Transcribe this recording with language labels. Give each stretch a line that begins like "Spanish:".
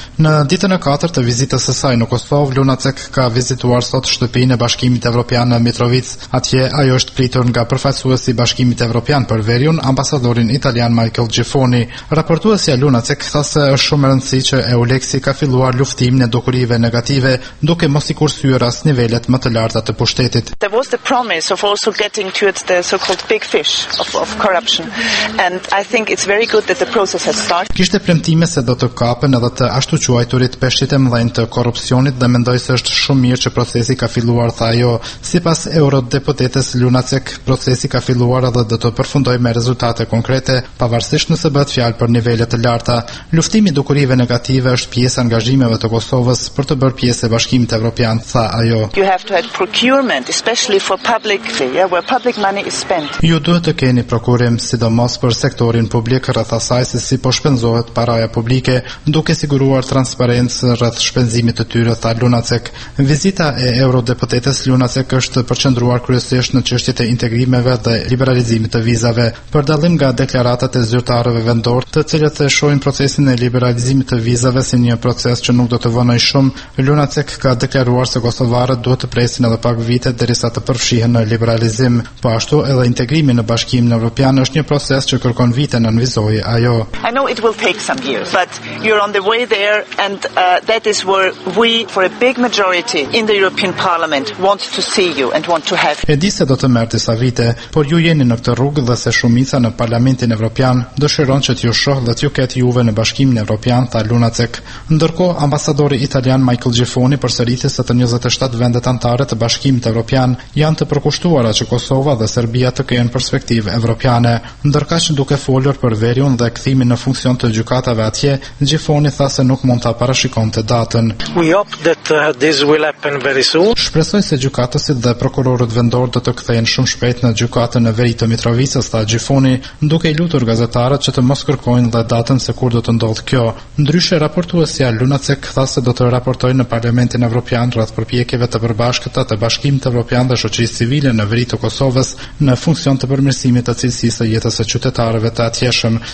Albanian: Në ditën e katërt të vizitës së saj në Kosovë, Lunacek ka vizituar sot shtëpinë e Bashkimit Evropian në Mitrovicë. Atje ajo është pritur nga përfaqësuesi i Bashkimit Evropian për Veriun, ambasadorin italian Michael Gifoni. Raportuesja Lunacek tha se është shumë e rëndësishme që EULEX-i ka filluar luftimin e dukurive negative, duke mos i kursyer as nivelet më të larta të pushtetit.
English: There was the promise of also getting to the so-called big fish of corruption. And I think it's very good that the process has started.
Albanian: Kishte premtime se do të kapen edhe të ashtu quajturit peshqit e mëdhenj të korrupsionit dhe mendoj se është shumë mirë që procesi ka filluar, tha ajo. Sipas eurodeputetes Lunacek, procesi ka filluar edhe do të përfundoj me rezultate konkrete, pavarësisht nëse bëhet fjalë për nivelet të larta. Luftimi dukurive negative është pjesë e angazhimeve të Kosovës për të bërë pjesë e Bashkimit Evropian, tha ajo.
English: You have to have procurement, especially for public, where public money is spent.
Albanian: Ju duhet të keni prokurim, sidomos për sektorin publik, rreth asaj se si po shpenzohet paraja publike, duke siguruar transparencë rreth shpenzimit të tyre, tha Lunacek. Vizita e eurodeputetes Lunacek është përqendruar kryesisht në çështjet e integrimeve dhe liberalizimit të vizave, për dallim nga deklaratat e zyrtarëve vendor, të cilët e shohin procesin e liberalizimit të vizave si një proces që nuk do të vënojë shumë. Lunacek ka deklaruar se kosovarët duhet të presin edhe pak vite derisa të përfshihen në liberalizim. Po ashtu edhe integrimi në Bashkimin Evropian është një proces që kërkon vite, nënvizoi ajo.
English: I know it will take some years, but you're on the way there and that is where we for a big majority in the European Parliament want to see you and want to have.
Albanian: E di se do të merr disa vite, por ju jeni në këtë rrugë dhe se shumica në Parlamentin Evropian dëshiron që t'ju shoh dhe t'ju ketë juve në Bashkimin Evropian, tha Lunacek. Ndërkohë ambasadori italian Michael Gifoni përsëriti se të 27 vendet anëtare të Bashkimit Evropian janë të përkushtuara që Kosova dhe Serbia të kenë perspektivë evropiane. Ndërkaq duke folur për Veriun dhe kthimin në funksion të gjykatave atje, Gifoni tha se nuk mund ta parashikonte datën.
English: We hope that this will happen very soon.
Albanian: Shpresoj se gjykatësit dhe prokurorët vendor do të kthehen shumë shpejt në gjykatën e veri të Mitrovicës, tha Gifoni, duke i lutur gazetarët që të mos kërkojnë dhe datën se kur do të ndodhë kjo. Ndryshe raportuesja Lunacek tha se do të raportojnë në Parlamentin Evropian rreth përpjekjeve të përbashkëta të Bashkimit Evropian dhe shoqërisë civile në veri të Kosovës në funksion të përmirësimit të cilësisë së jetës së qytetarëve të atjeshëm.